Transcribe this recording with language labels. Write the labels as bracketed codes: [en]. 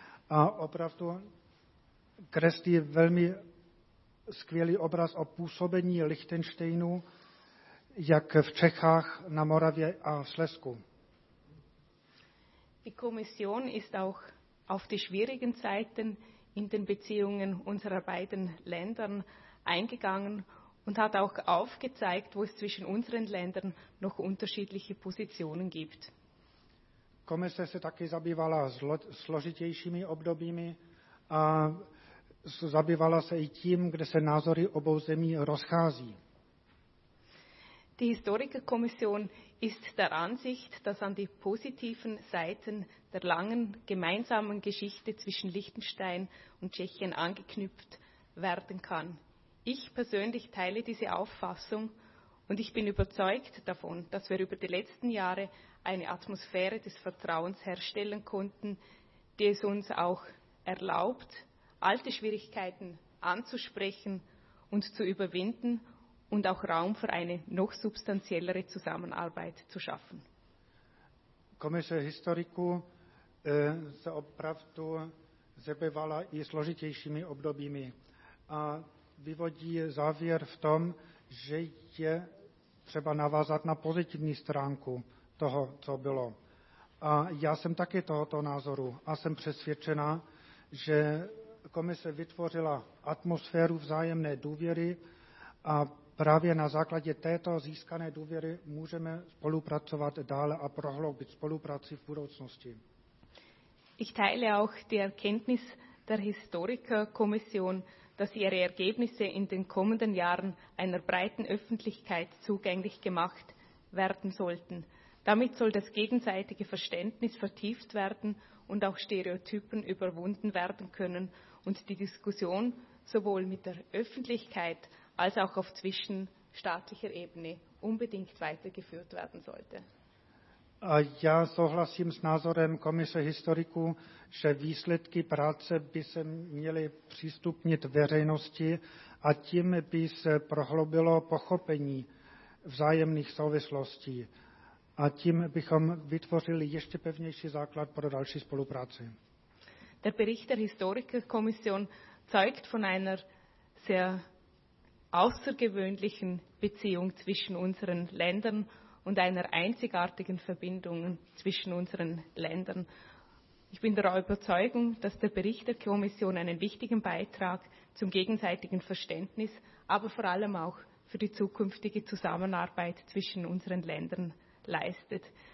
[cs] A opravdu kreslí velmi skvělý obraz o působení Liechtensteinu, jak v Čechách, na Moravě a v Slezsku. [de] Die Kommission ist auch auf die schwierigen Zeiten in den Beziehungen unserer beiden Länder eingegangen und hat auch aufgezeigt, wo es zwischen unseren Ländern noch unterschiedliche Positionen gibt. [cs] Komise se taky zabývala složitějšími obdobími a zabývala se i tím, kde se názory obou zemí rozchází. [de] Die Historikerkommission ist der Ansicht, dass an die positiven Seiten der langen gemeinsamen Geschichte zwischen Liechtenstein und Tschechien angeknüpft werden kann. Ich persönlich teile diese Auffassung und ich bin überzeugt davon, dass wir über die letzten Jahre eine Atmosphäre des Vertrauens herstellen konnten, die es uns auch erlaubt, alte Schwierigkeiten anzusprechen und zu überwinden und auch Raum für eine noch substanziellere Zusammenarbeit zu schaffen. [cs] Komise historiku se opravdu zabývala i složitějšími obdobími a vyvodí závěr v tom, že je třeba navázat na pozitivní stránku toho, co bylo. A já jsem taky tohoto názoru a jsem přesvědčena, že komise vytvořila atmosféru vzájemné důvěry a právě na základě této získané důvěry můžeme spolupracovat dále a prohloubit spolupráci v budoucnosti. [de] Ich teile auch die Erkenntnis der Historikerkommission, dass ihre Ergebnisse in den kommenden Jahren einer breiten Öffentlichkeit zugänglich gemacht werden sollten. Damit soll das gegenseitige Verständnis vertieft werden und auch Stereotypen überwunden werden können und die Diskussion sowohl mit der Öffentlichkeit als auch auf zwischenstaatlicher Ebene unbedingt weitergeführt werden sollte. [cs] Já souhlasím s názorem Komise historiků, že výsledky práce by se měly přístupnit veřejnosti a tím by se prohloubilo pochopení vzájemných souvislostí a tím bychom vytvořili ještě pevnější základ pro další spolupráci. [de] Der Bericht der Historikerkommission zeugt von einer sehr außergewöhnlichen Beziehung zwischen unseren Ländern und einer einzigartigen Verbindung zwischen unseren Ländern. Ich bin der Überzeugung, dass der Bericht der Kommission einen wichtigen Beitrag zum gegenseitigen Verständnis, aber vor allem auch für die zukünftige Zusammenarbeit zwischen unseren Ländern leistet.